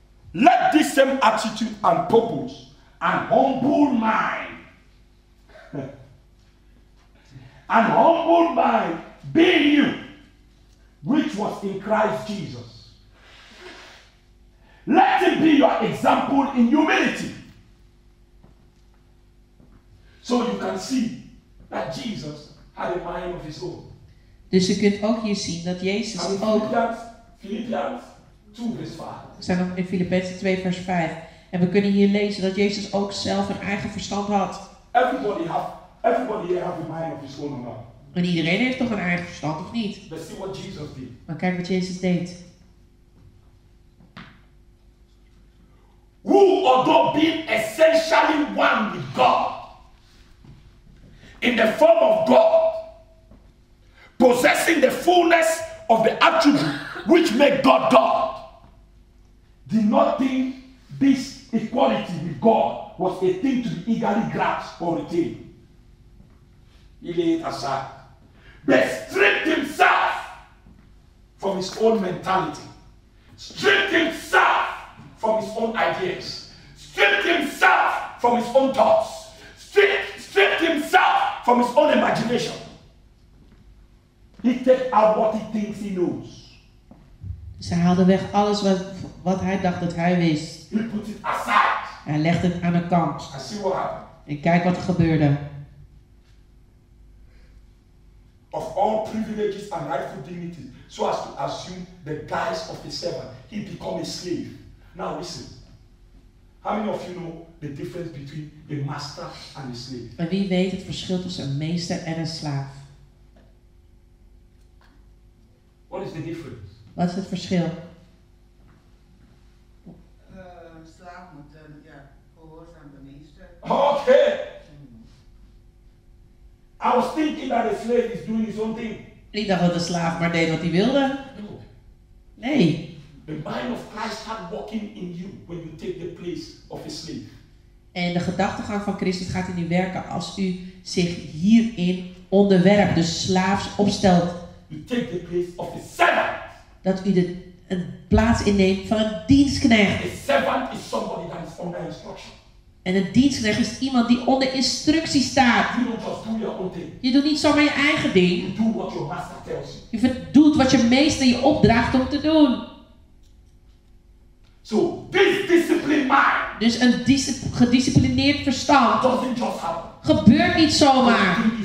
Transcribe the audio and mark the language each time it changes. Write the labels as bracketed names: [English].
[English] Let this same attitude and purpose and humble mind and humble mind be in you, which was in Christ Jesus. Let it be your example in humility. So you can see that Jesus had a mind of his own. [Dutch] Dus je kunt ook hier zien dat Jezus ook... Filippians 2 vers 5. We zijn in Filippenzen 2 vers 5. En we kunnen hier lezen dat Jezus ook zelf een eigen verstand had. [English] Everybody have a mind of his own or not. [Dutch] En iedereen heeft toch een eigen verstand of niet? [English] But see what Jesus did. [Dutch] Maar kijk wat Jezus deed. [English] Who although being essentially one with God. In the form of God. Possessing the fullness of the attribute which make God God, did not think this equality with God was a thing to be eagerly grasped or retained. He laid it aside, but stripped himself from his own mentality, stripped himself from his own ideas, stripped himself from his own thoughts, stripped himself from his own imagination. He take out what he thinks he knows. [Dutch] Dus hij haalde weg alles wat hij dacht dat hij wist. [English] He put it aside. [Dutch] Hij legde het aan de kant. [English] And see what happened. [Dutch] En kijk wat er gebeurde. [English] Of all privileges and rightful dignity, so as to assume the guise of a servant, he become a slave. Now listen. How many of you know the difference between a master and a slave? [Dutch] En wie weet het verschil tussen een meester en een slaaf? [English] What is the difference? [Dutch] Wat is het verschil? Slaaf moet gehoorzaam de meester. [English] Oké. Okay. I was thinking that a slave is doing his own thing. [Dutch] Ik dacht dat de slaaf maar deed wat hij wilde. [English] No. [Dutch] Nee. [English] The mind of Christ had working in you when you take the place of a slave. [Dutch] En de gedachtegang van Christus gaat in u werken als u zich hierin onderwerpt, dus slaafs opstelt. [English] You take the place of a servant. [Dutch] Dat u een plaats inneemt van een dienstknecht. [English] A servant is somebody that is under instruction. [Dutch] En een dienstknecht is iemand die onder instructie staat. Je doet niet zomaar je eigen ding. Je doet wat je meester je opdraagt om te doen. [English] So, this disciplined mind, [Dutch] dus een gedisciplineerd verstand gebeurt niet zomaar.